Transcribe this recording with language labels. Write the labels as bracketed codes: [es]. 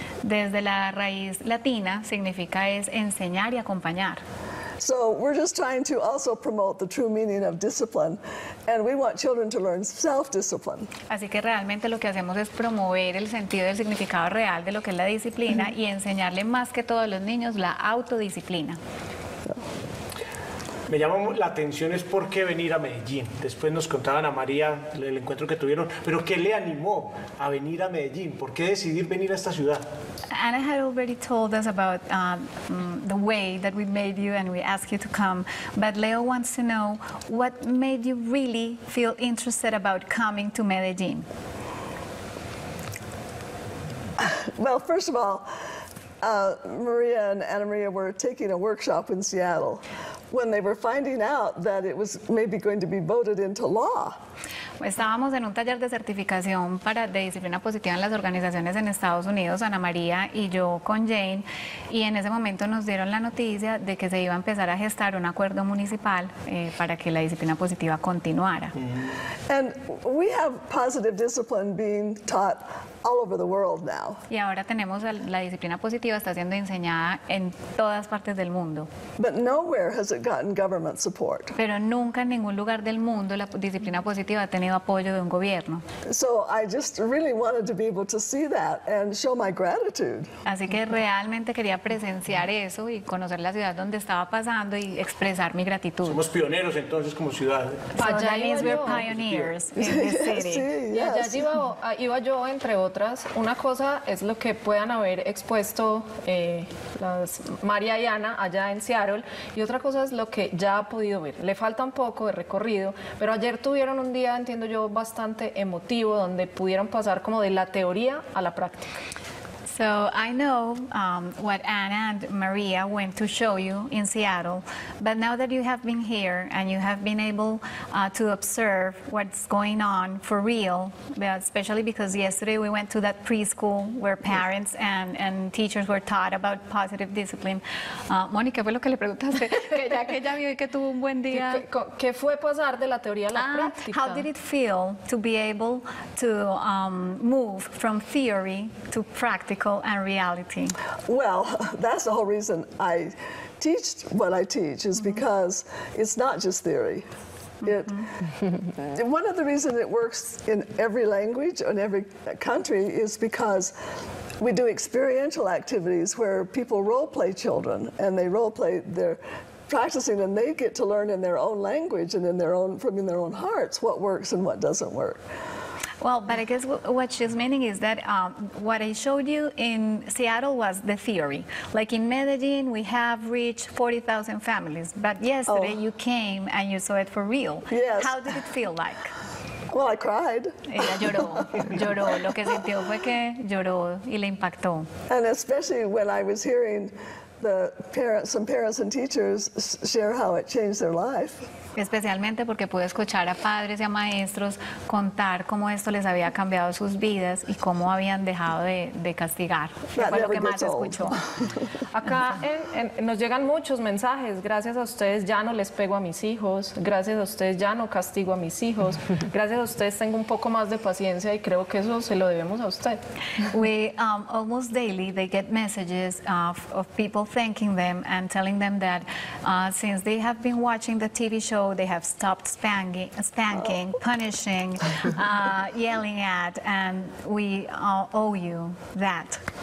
[es] Desde la raíz latina, significa es enseñar y acompañar. [en] So we're just trying to also promote the true meaning of discipline, and we want children to learn self-discipline. [es] Así que realmente lo que hacemos es promover el sentido del significado real de lo que es la disciplina y enseñarle más que todo a los niños la autodisciplina. Me llama la atención es por qué venir a Medellín. Después nos contaban a María el encuentro que tuvieron, pero ¿qué le animó a venir a Medellín? ¿Por qué decidir venir a esta ciudad? [en] Anna had already told us about the way that we made you and we asked you to come, but Leo wants to know what made you really feel interested about coming to Medellín. Well, first of all, Maria and Anna Maria were taking a workshop in Seattle when they were finding out that it was maybe going to be voted into law. [es] Estábamos en un taller de certificación para de disciplina positiva en las organizaciones en Estados Unidos, Ana María y yo con Jane, y en ese momento nos dieron la noticia de que se iba a empezar a gestar un acuerdo municipal para que la disciplina positiva continuara. [en] And we have positive discipline being taught all over the world now. [es] Y ahora tenemos la disciplina positiva está siendo enseñada en todas partes del mundo. [en] But nowhere has it gotten government support. [es] Pero nunca en ningún lugar del mundo la disciplina positiva ha tenido apoyo de un gobierno. [en] So I just really wanted to be able to see that and show my gratitude. [es] Así que realmente quería presenciar eso y conocer la ciudad donde estaba pasando y expresar mi gratitud. Somos pioneros entonces como ciudad. [en] Pajalis, we're pioneers in this city. [es] Sí, [en] yes. [es] Ya iba yo entre otras. Una cosa es lo que puedan haber expuesto las María y Ana allá en Seattle y otra cosa es lo que ya ha podido ver. Le falta un poco de recorrido, pero ayer tuvieron un día, entiendo yo, bastante emotivo donde pudieron pasar como de la teoría a la práctica. [en] So I know what Anna and Maria went to show you in Seattle, but now that you have been here and you have been able to observe what's going on for real, especially because yesterday we went to that preschool where parents and teachers were taught about positive discipline. [es] Mónica, fue lo que le preguntaste, que ella vio y que tuvo un buen día. ¿Qué fue pasar de la teoría a la práctica? [en] How did it feel to be able to move from theory to practice? And reality. Well, that's the whole reason I teach what I teach is because it's not just theory. One of the reasons it works in every language and every country is because we do experiential activities where people role play children and they role play their practicing and they get to learn in their own language and in their own from in their own hearts what works and what doesn't work. Well, but I guess what she's meaning is that what I showed you in Seattle was the theory. Like in Medellin, we have reached 40,000 families, but yesterday you came and you saw it for real. Yes. How did it feel like? Well, I cried. [es] Ella lloró, lloró. Lo que sintió fue que lloró y le impactó. [en] And especially when I was hearing the parents, some parents and teachers share how it changed their life. [es] Especialmente porque pude escuchar a padres y a maestros contar cómo esto les había cambiado sus vidas y cómo habían dejado de castigar. Fue lo que más escuchó. Acá nos llegan muchos mensajes. Gracias a ustedes ya no les pego a mis hijos. Gracias a ustedes ya no castigo a mis hijos. Gracias a ustedes tengo un poco más de paciencia y creo que eso se lo debemos a usted. [en] We almost daily they get messages of people thanking them and telling them that since they have been watching the TV show, they have stopped spanking, punishing, yelling at, and we owe you that.